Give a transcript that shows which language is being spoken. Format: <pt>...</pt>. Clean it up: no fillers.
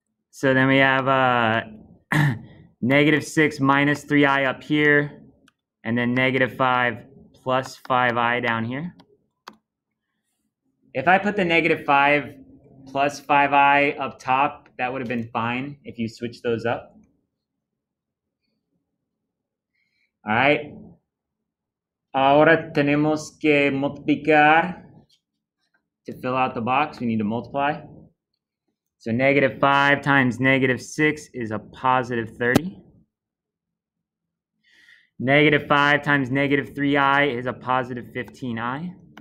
<en>So then we have negative 6 minus 3i up here, and then negative 5 plus 5i down here. If I put the negative 5 plus 5i up top, that would have been fine if you switched those up. All right.</en> <es>Ahora tenemos que multiplicar.</es> <en>To fill out the box, we need to multiply. So negative 5 times negative 6 is a positive 30. Negative 5 times negative 3i is a positive 15i.</en>